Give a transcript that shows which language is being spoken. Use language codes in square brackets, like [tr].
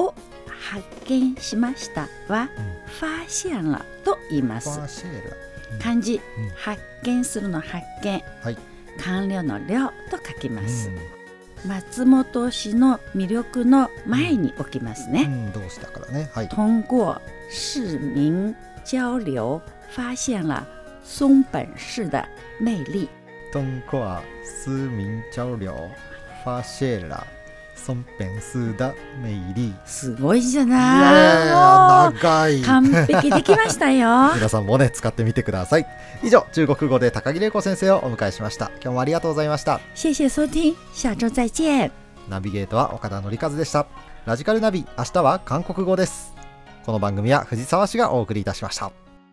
[ja] を発見しましたは、发现了と言います。漢字、発見するの発見、官僚の僚と書きます。松本市の魅力の前に置きますね。動詞だからね。はい、 [zh] 通过市民交流发现了松本市的魅力。通过市民交流发现了松本市的魅力。 [ja] すごいじゃない。 長い。完璧できましたよ。皆さんもね、使ってみてください。以上、中国語で高木玲子先生をお迎えしました。今日もありがとうございました。 [zh] 谢谢收听、下周再见。 [ja] ナビゲートは岡田紀一でした。ラジカルナビ、明日は韓国語です。この番組は藤沢氏がお送りいたしました。